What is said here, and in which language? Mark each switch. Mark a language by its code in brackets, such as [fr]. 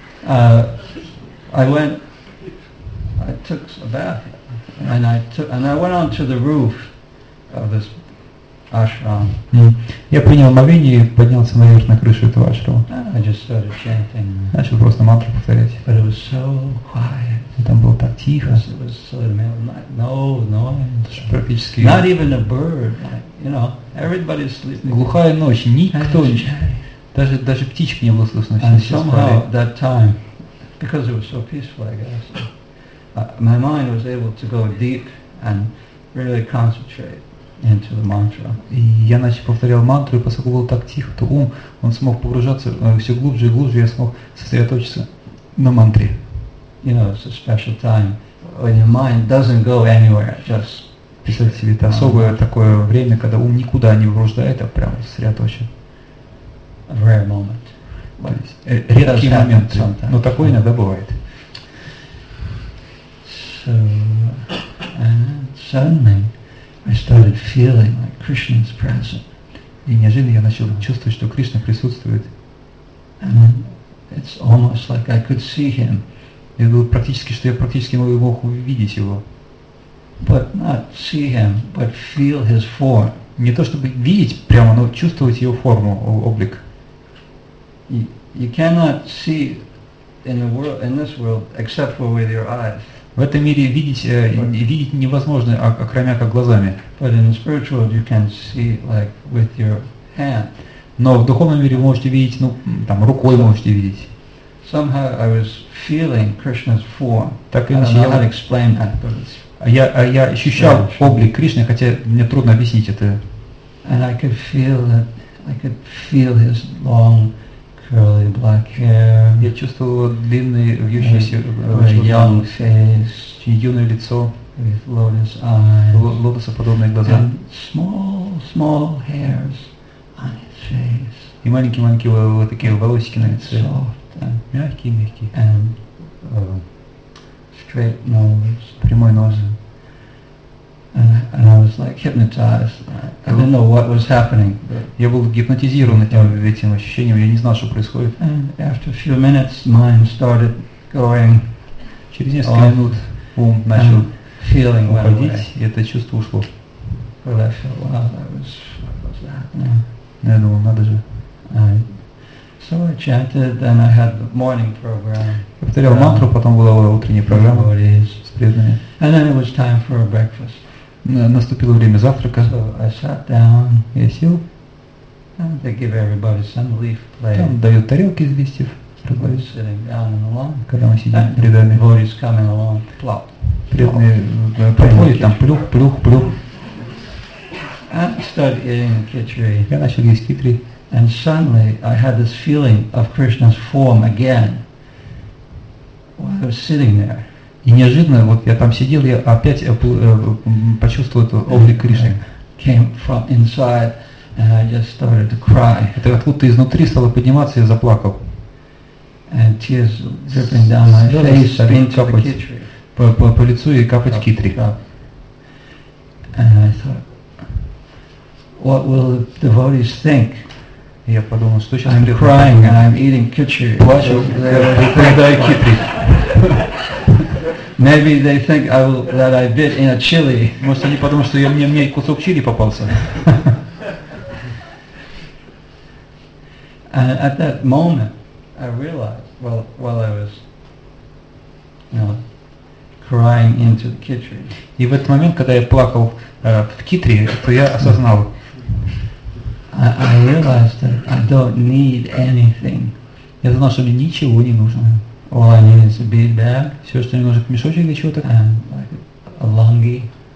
[en] And I took a bath, and I went onto the roof of this ashram. Mm. [ru] Я принял омовение и поднялся наверх на крышу этого ашрама. [en] I just started chanting. [ru] Начал просто мантру повторять. [en] But it was so quiet. [ru] И там было так тихо. [en] It was so [ru] Практически. [en] Not even a bird. You know, everybody's sleeping. [ru] Глухая ночь, никто не. Даже птичек не было слышно. [en] And somehow that time, because it was so peaceful, I guess, my mind was able to go deep and really concentrate into the mantra. [ru] И я начал повторял мантру, и поскольку было так тихо, то ум, он смог погружаться все глубже и глубже, я смог сосредоточиться на мантре. [en] You know, it's a special time when your mind doesn't go anywhere, just. [ru] Представьте себе, это особое такое время, когда ум никуда не вырождает, а прямо сосредоточен. [en] A rare moment. [ru] Редкий момент, но такое иногда бывает. [en] So, and suddenly I started feeling like Krishna's present. [ru] И неожиданно я начал чувствовать, что Кришна присутствует. [en] And it's almost like I could see him. [ru] И было практически, что я практически мог увидеть его. [en] But not see him, but feel his form. [ru] Не то чтобы видеть прямо, но чувствовать его форму, облик. [en] You cannot see in the world, in this world, except for with your eyes. [ru] В этом мире видеть невозможно, кроме как глазами. [en] But in the spiritual world, you can see like with your hand. [ru] Но в духовном мире вы можете видеть, ну, там, рукой можете видеть. [en] Somehow I was feeling Krishna's form. [ru] Так иначе я [en] not explain that, but it's. [ru] Я ощущал облик Кришны, хотя мне трудно объяснить это. [en] And I could feel that, I could feel his long curly black hair. [ru] Я чувствовал длинные вьющиеся [en] young face, [ru] юное лицо, [en] with lotus eyes, [ru] лотосоподобные глаза, [en] and small hairs on his face. [ru] И маленькие вот такие волосики на лице, [en] soft and [ru] мягкие, [en] and straight nose, [ru] прямой нос. [en] And I was like hypnotized. I didn't know what was happening. [ru] Я был гипнотизирован этим ощущением. Я не знал, что происходит. [en] And after a few minutes, mind started going. [ru] Через несколько минут ум начал [en] feeling [ru] уходить, и это чувство ушло. [en] But I felt, wow, what was happening? [ru] Я думал, надо же. [en] So I chanted, and I had the morning program. [ru] Я повторял мантру, потом была утренняя программа с преданными. [en] And then it was time for breakfast. [ru] Наступило время завтрака. [en] So I sat down. [ru] Я сел. [en] And they give everybody some leaf plate. [ru] Там дают тарелки из листьев. [en] Everybody's sitting down in the line. [ru] Когда мы сидим перед нами. [en] Everybody's coming along. Plop. [ru] Преданные подходят там плюх. [en] And started eating khichdi. [ru] Я начал есть khichdi. [en] And suddenly I had this feeling of Krishna's form again. While I was sitting there. [ru] И неожиданно, вот я там сидел, я опять почувствовал этот облик Кришны. [en] Came from inside, and I just started to cry. [ru] Это откуда-то изнутри стало подниматься, я заплакал. [en] And tears dripping down my face, started to [ru] capать [en] the khichdi. [ru] По лицу и капать khichdi. [en] And I thought, what will the devotees think? [ru] Я подумал, что сейчас [en] I'm crying and I'm eating khichdi. [ru] Плачу, передаю khichdi. [en] Maybe they think that I bit in a chili. [ru] Может, они подумают, что мне кусок чили попался. [en] And at that moment, I realized, while I was, crying into the khichdi. [ru] И в этот момент, когда я плакал в khichdi, то я осознал. [en] I realized that I don't need anything. [ru] Я знал, что мне ничего не нужно. [en] All I need is a bead bag. [ru] Все, что мне нужно, мешочек или чего-то. [en] And like a [ru] Лонги.